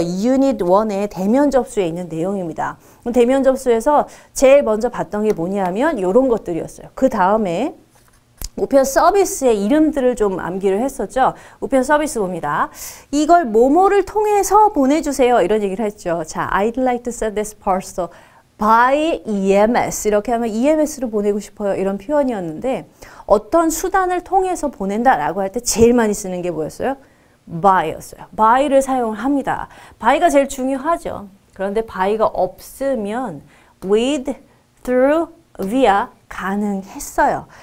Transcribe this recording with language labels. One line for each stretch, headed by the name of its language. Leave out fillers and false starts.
Korean: 유닛 1의 대면 접수에 있는 내용입니다. 대면 접수에서 제일 먼저 봤던 게 뭐냐면 이런 것들이었어요. 그 다음에 우편 서비스의 이름들을 좀 암기를 했었죠. 우편 서비스 봅니다. 이걸 뭐뭐를 통해서 보내주세요. 이런 얘기를 했죠.
English: 자, I'd like to send this parcel. By EMS.
Korean: 이렇게 하면 EMS로 보내고 싶어요. 이런 표현이었는데, 어떤 수단을 통해서 보낸다라고 할때 제일 많이 쓰는 게 뭐였어요? By였어요. By를 사용을 합니다. By가 제일 중요하죠. 그런데 By가 없으면 with, through, via 가능했어요.